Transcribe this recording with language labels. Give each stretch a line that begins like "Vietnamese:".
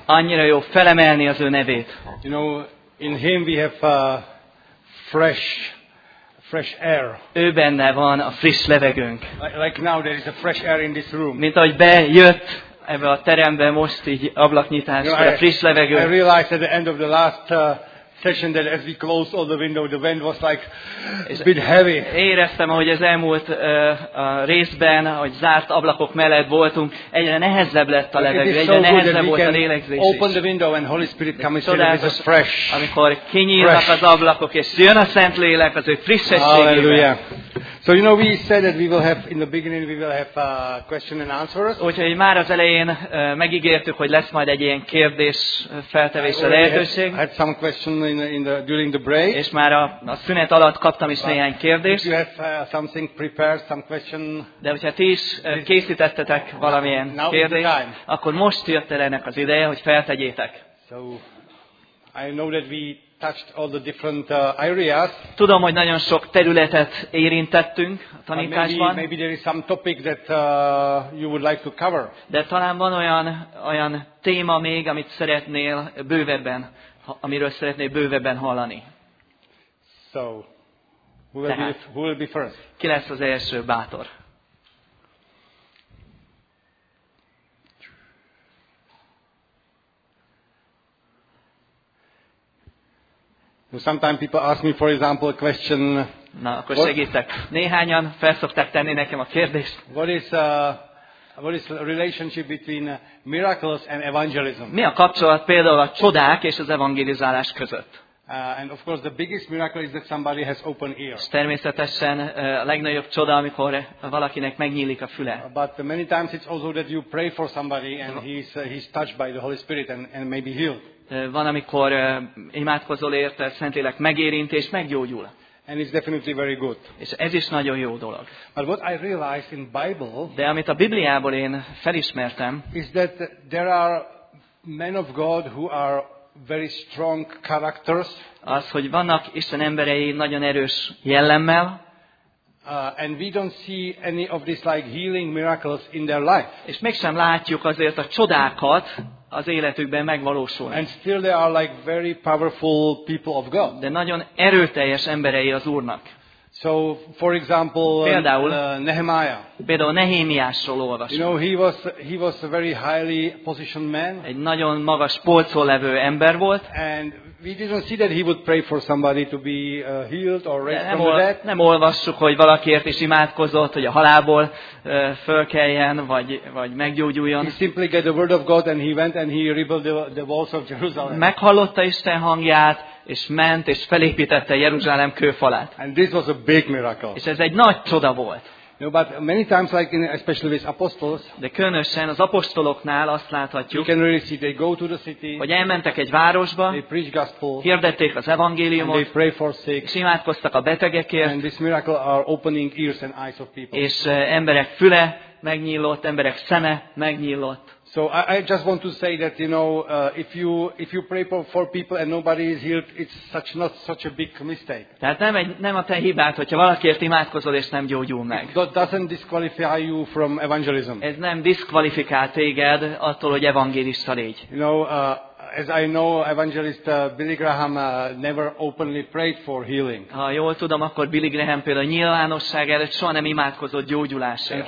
Hungarian: Annyira jó felemelni az ő nevét.
English: You know, in him we have fresh air.
Hungarian: Ő benne van a friss levegőnk.
English: Like now there is a fresh air in this room.
Hungarian: Mint ahogy bejött ebbe a terembe most így ablaknyitásra,
English: you know,
Hungarian: a friss levegő.
English: I realized at the end of the last session that as we closed all the window, the wind was like a bit heavy.
Hungarian: Éreztem, ahogy az elmúlt a részben, ahogy zárt ablakok mellett voltunk, egyre nehezebb lett a levegő, egyre nehezebb volt a lélegzés.
English: Open the window and Holy Spirit comes in with us fresh.
Hungarian: Amikor kinyílnak az ablakok és jön a Szentlélek az ő frissességével. Hallelujah.
English: So you know, we said that we will have in the beginning we will have question and answers.
Hungarian: Úgyhogy már az elején megígértük, hogy lesz majd egy ilyen kérdés-feltevés a lehetőség.
English: I had some questions during the break.
Hungarian: És már a szünet alatt kaptam is néhány kérdést.
English: If you have something prepared, some question.
Hungarian: De hogyha ti is készítettetek valamilyen kérdést, akkor most jött el ennek az ideje, hogy feltegyétek.
English: So I know that we touched all the different areas.
Hungarian: Tudom, hogy nagyon sok területet érintettünk a tanításban.
English: Maybe there is some topic that you would like to cover.
Hungarian: De talán van olyan téma még, amit szeretnél bővebben, amiről szeretnél bővebben hallani.
English: So, who will be first?
Hungarian: Ki lesz az első bátor?
English: Sometimes people ask me, for example, a question.
Hungarian: Na, akkor segítek. Néhányan felszokták tenni nekem a kérdést.
English: What is the relationship between miracles and evangelism?
Hungarian: Mi a kapcsolat például a csodák és az evangelizálás között?
English: And of course, the biggest miracle is that somebody has open ear.
Hungarian: Természetesen a legnagyobb csoda, amikor valakinek megnyílik a füle.
English: But many times it's also that you pray for somebody and he's touched by the Holy Spirit and maybe healed.
Hungarian: Van, amikor imádkozol érte, Szentlélek megérint és meggyógyul.
English: And it's definitely very good.
Hungarian: És ez is nagyon jó dolog.
English: But what I realized in Bible,
Hungarian: de amit a Bibliából én felismertem,
English: is that there are men of God who are very strong characters.
Hungarian: Az, hogy vannak Isten emberei nagyon erős jellemmel.
English: And we don't see any of these like healing miracles in their life.
Hungarian: És mégsem látjuk azért a csodákat az életükben megvalósulni.
English: And still they are like very powerful people of God.
Hungarian: De nagyon erőteljes emberei az Úrnak.
English: So, for example,
Hungarian: például
English: Nehemiah.
Hungarian: Például Nehémiásról olvasunk.
English: You know, he was a very highly positioned man.
Hungarian: Egy nagyon magas polcon levő ember volt.
English: And we didn't see that he would pray for somebody to be healed or raised from the dead.
Hungarian: Nem olvassuk, hogy valakiért is imádkozott, hogy a halálból fölkeljen, vagy meggyógyuljon.
English: He simply got the word of God and he went and he rebuilt the walls of Jerusalem.
Hungarian: Meghallotta Isten hangját, és ment és felépítette Jeruzsálem kőfalát.
English: And this was a big miracle.
Hungarian: És ez egy nagy csoda volt.
English: No, but many times, like in, especially with apostles,
Hungarian: de különösen az apostoloknál azt láthatjuk,
English: you can really see they go to the city,
Hungarian: hogy elmentek egy városba,
English: they preach gospel,
Hungarian: hirdették az evangéliumot,
English: and they pray for sick,
Hungarian: és imádkoztak a betegekért,
English: and this miracle are opening ears and eyes of people.
Hungarian: És emberek füle megnyílott, emberek szeme megnyílott.
English: So I just want to say that, you know, if you pray for people and nobody is healed, it's not such a big mistake.
Hungarian: Tehát nem a te hibád, hogyha valakiért imádkozol és nem gyógyul meg.
English: It doesn't disqualify you from evangelism.
Hungarian: Ez nem diszkvalifikál téged attól, hogy evangélista légy.
English: You know, as I know, evangelist Billy Graham never openly prayed for healing.
Hungarian: Ha jól tudom, akkor Billy Graham például nyilvánosság előtt soha nem imádkozott gyógyulásért.